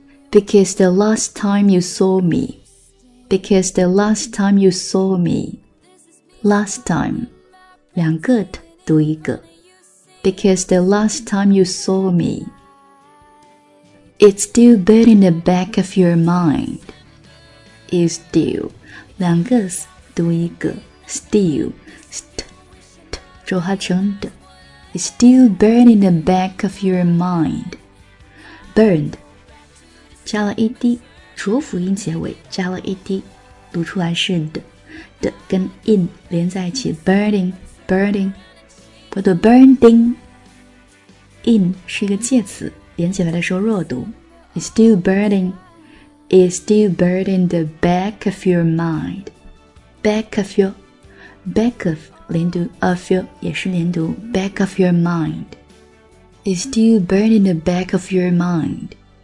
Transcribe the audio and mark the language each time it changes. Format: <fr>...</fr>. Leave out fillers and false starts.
<en>Because the last time you saw me. Because the last time you saw me. Last time</en> <zh>两个的读一个</zh> <en>Because the last time you saw me. It's still burning in the back of your mindIs still</en> <zh>两个 s 读一个 still st t 浊化成的</zh> <en>is still burned in the back of your mind. Burned</en> <zh>加了 ed 浊辅音结尾，加了 ed 读出来是 d d 跟 in 连在一起</zh> <en>burning</en> <zh>不读 burning. In 是一个介词，连起来的时候弱读</zh> <en>is still burningIs still burning the back of your mind. Back of your back of</en> <zh>连读</zh> <en>of your</en> <zh>也是连读</zh> <en>back of your mind is still burning the back of your mind.</en>